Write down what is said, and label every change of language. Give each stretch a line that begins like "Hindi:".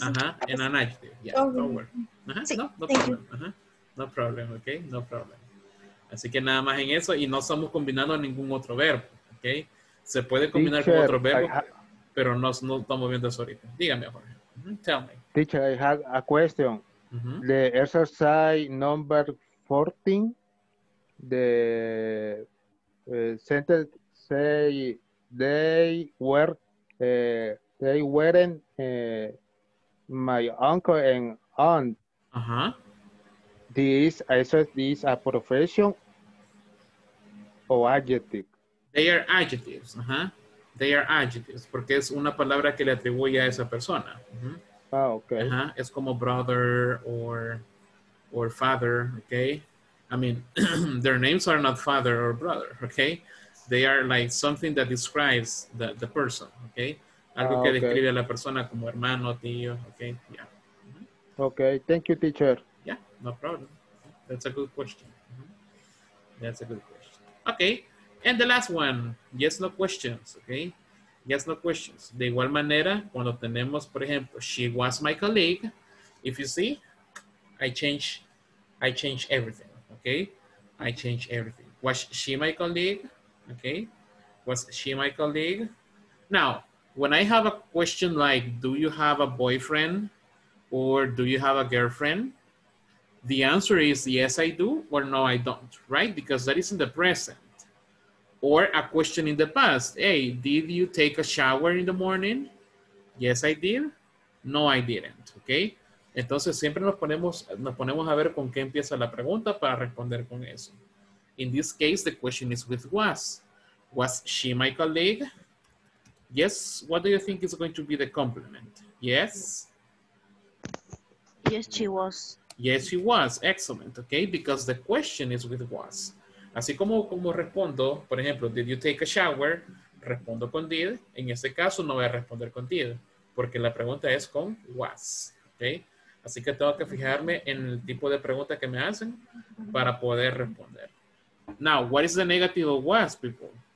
English: Ajá, en an adjective. Yeah, don't worry. Ajá, sí. No problem. Ajá. No problem.
Spanish: Así que nada más en eso y no estamos combinando ningún otro verbo, ¿ok? Se puede combinar teacher, con otro verbo, pero no estamos viendo eso ahorita. Dígame, Jorge. Tell me.
English: Teacher, I have a question. Uh-huh. The exercise number 14, the sentence say they weren't my uncle and aunt. Uh-huh. This is a profession. Or adjective. They are adjectives. Uh-huh. They are adjectives.
Spanish: Porque es una palabra que le atribuye a esa persona.
English: Uh-huh. Ah, okay.
Spanish: Uh-huh. Es como brother or father. Okay.
English: I mean, their names are not father or brother. Okay. They are like something that describes the person. Okay.
Spanish: Algo que describe a la persona como hermano, tío.
English: Okay. Yeah. Uh-huh. Okay. Thank you, teacher. Yeah. No problem. That's a good question. Uh-huh. That's a good question. Okay, and the last one, yes, no questions. De igual manera, cuando tenemos, por ejemplo, she was my colleague, if you see, I change everything, okay? I change everything. Was she my colleague? Okay, was she my colleague? Now, when I have a question like, do you have a boyfriend or do you have a girlfriend? The answer is yes, I do, or no, I don't, right? Because that is in the present. Or a question in the past. Hey, did you take a shower in the morning? Yes, I did. No, I didn't. Okay.
Spanish: Entonces, siempre nos ponemos a ver con qué empieza la pregunta para responder con eso.
English: In this case, the question is with was. Was she my colleague? Yes. What do you think is going to be the complement? Yes. Yes, she was. Yes, she was. Excellent. Okay. Because the question is with was.
Spanish: Así como respondo, por ejemplo, did you take a shower? Respondo con did. En este caso, no voy a responder con did. Porque la pregunta es con was. Okay? Así que tengo que fijarme en el tipo de pregunta que me hacen para poder responder.
English: Now, what is the negative of was, people?